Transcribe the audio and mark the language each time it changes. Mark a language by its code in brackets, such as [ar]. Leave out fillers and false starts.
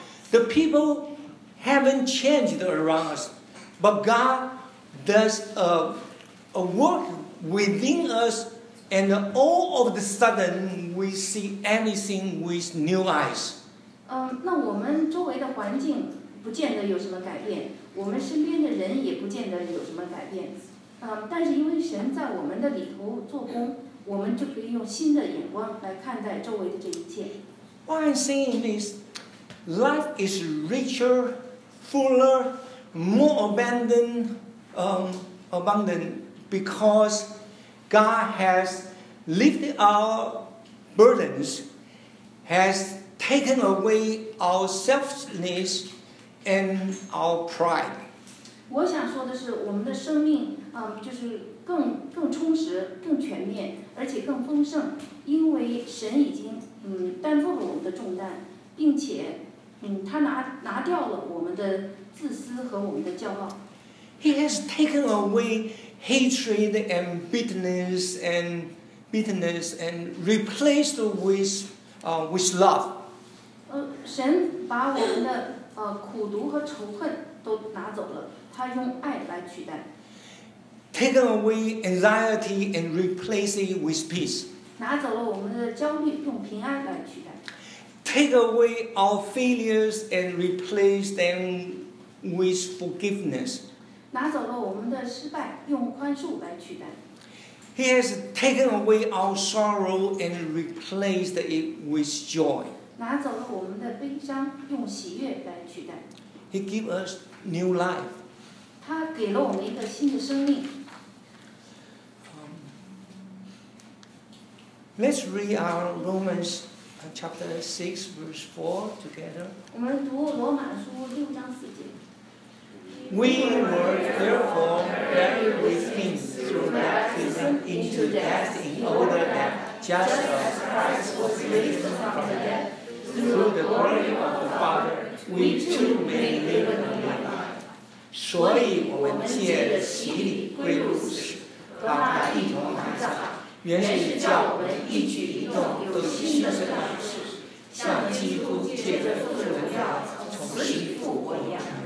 [en] The people haven't changed around us, but God does a work within us, and all of a sudden we see everything with new eyes. [zh] 那我们周围的环境不见得有什么改变，我们身边的人也不见得有什么改变。但是因为神在我们的里头做工，我们就可以用新的眼光来看待周围的这一切。 [en] What I'm saying is, life is richer, fuller, more abundant, abundant because God has lifted our burdens, has taken away our selfishness and our pride. [zh] 我想说的是，我们的生命，就是更充实、更全面，而且更丰盛，因为神已经担负了我们的重担，并且他拿掉了我们的自私和我们的骄傲。 [en] He has taken away hatred and bitterness and replaced with love. [zh] 神把我们的苦毒和仇恨都拿走了，他用爱来取代。 [en] Taken away anxiety and replace it with peace. [zh] 拿走了我们的焦虑，用平安来取代。 [en] Take away our failures and replace them with forgiveness. [zh] 拿走了我们的失败，用宽恕来取代。 [en] He has taken away our sorrow and replaced it with joy. [zh] 拿走了我们的悲伤，用喜悦来取代。 [en] He gave us new life. [zh] 他给了我们一个新的生命。 [en] Let's read our Romans chapter 6 verse 4 together. [zh] 我们读罗马书六章四节。 [en] We were therefore buried with him through baptism into death in order that just as Christ was raised from the dead through the glory of the Father, we too may live a new life. [zh] 所以我们借着洗礼归入死，把他一同埋葬，原是叫我们一举一动都有新生的样式，像基督借着父的荣耀从死里复活一样。